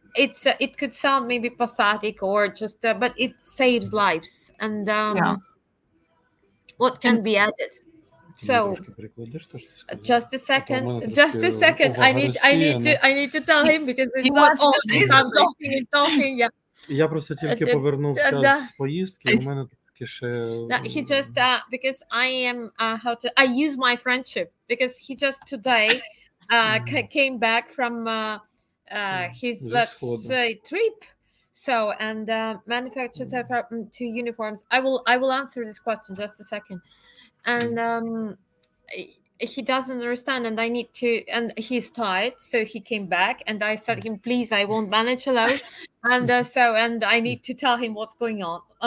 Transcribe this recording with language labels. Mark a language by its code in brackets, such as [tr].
[en] It's it could sound maybe pathetic or just, but it saves lives. And what can be added? So just a second. I need to tell him because it's not all. I'm talking and talking. Yeah. [uk] Я просто тільки повернувся з поїздки. У мене таки ще. [en] He just because I am how to I use my friendship because he just today came back from his let's say trip. So and manufacturers have two uniforms. I will answer this question just a second. And he doesn't understand, and I need to, and he's tired, so he came back, and I said to him, please, I won't manage alone, and so, and I need to tell him what's going on.